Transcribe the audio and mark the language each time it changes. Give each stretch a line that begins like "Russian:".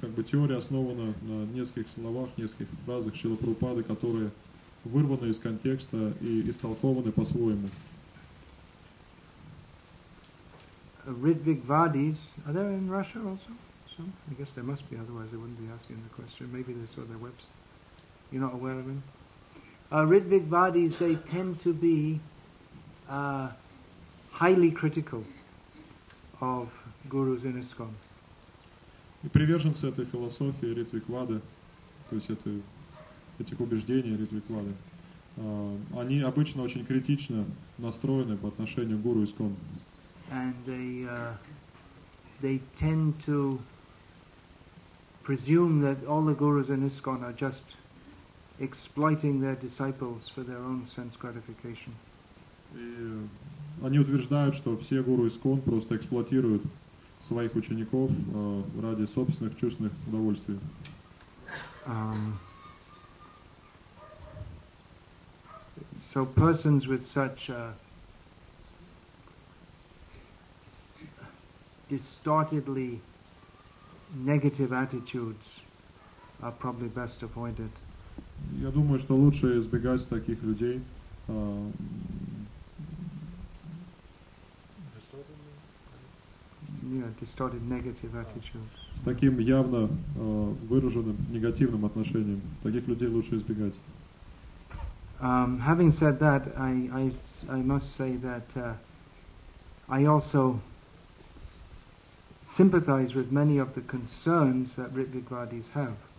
Russian: Теория основана на нескольких словах, нескольких фразах Шрилы Прабхупады, которые вырваны из контекста и истолкованы по-своему.
English: Ritvik Vadis, are there in Russia also? Some? I guess there must be, otherwise they wouldn't be asking the question. Maybe they saw their website. You're not aware of them? Ritvik Vadis, they tend to be highly critical of gurus in ISKCON.
Russian: И приверженцы этой философии Ритвиквады, то есть этих убеждений Ритвиквады, они обычно очень критично настроены по отношению к гуру ИСКОН.
English: And they tend to presume that all the gurus in ISKCON are just exploiting their disciples for their own sense gratification.
Russian: И они утверждают, что все гуру ИСКОН просто эксплуатируют своих учеников ради собственных чувственных удовольствий.
English: So persons with such distortedly negative attitudes are probably best avoided.
Russian: Я думаю, что лучше избегать таких людей.
English: Yeah, distorted negative attitudes.
Russian: С таким явно выраженным негативным отношением таких людей лучше избегать.
English: Having said that, I must say that I also sympathize with many of the concerns that Ritvik Vadis have.